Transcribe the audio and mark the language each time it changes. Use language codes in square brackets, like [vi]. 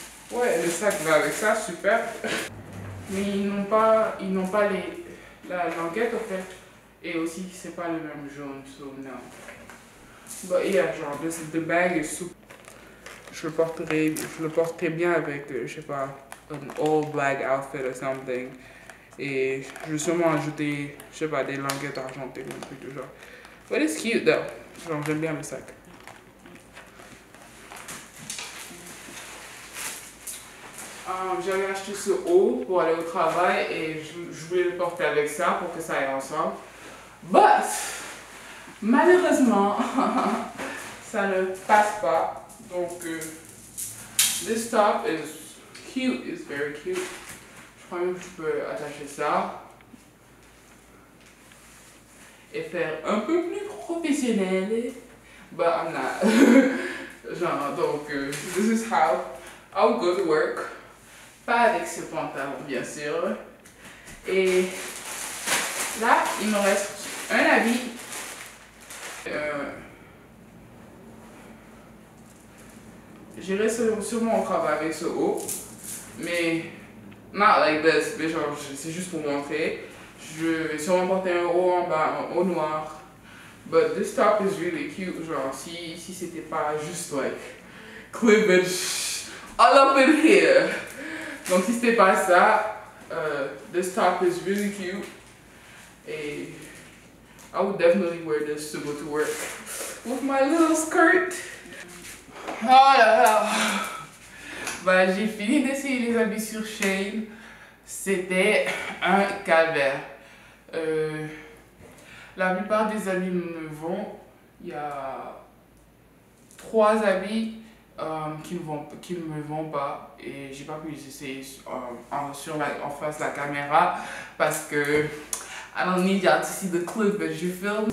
[fr] Ouais, le sac va avec ça, super. Mais ils n'ont pas les... la languette en fait. Et aussi, c'est pas le même jaune, [en] so no. But yeah, genre, this is the bag is super. [fr] Je le porterai bien avec, je sais pas, [en] an all black outfit or something. [fr] Et je vais sûrement ajouter, je sais pas, des languettes argentées ou un truc du genre. [en] But it's cute though. [fr] Genre, j'aime bien le sac. J'avais acheté ce haut pour aller au travail et je voulais le porter avec ça pour que ça aille ensemble. But, malheureusement, ça ne passe pas. [en] Donc, this top is cute, it's very cute. [fr] Je crois même que je peux attacher ça. Et faire un peu plus professionnel. [en] But I'm not. Genre, donc, this is how I'll go to work. [fr] Pas avec ce pantalon, bien sûr. Et là, il me reste un habit. J'irai sûrement au travail avec ce haut. Mais, [en] not like this, [fr] mais genre, c'est juste pour montrer. Je vais sûrement porter un haut en bas, un haut noir. [en] But this top is really cute, genre, [fr] si c'était pas juste, [en] like, cleavage all up in here. [fr] Donc si c'était pas ça, [en] this top is really cute et I would definitely wear this to go to work with my little skirt. [fr] Oh là là! Ben j'ai fini d'essayer les habits sur Shane. C'était un calvaire. La plupart des habits me vont. Il y a 3 habits qui ne me vont pas et j'ai pas pu les essayer en face de la caméra parce que [en] I don't need y'all to see the clip but you film.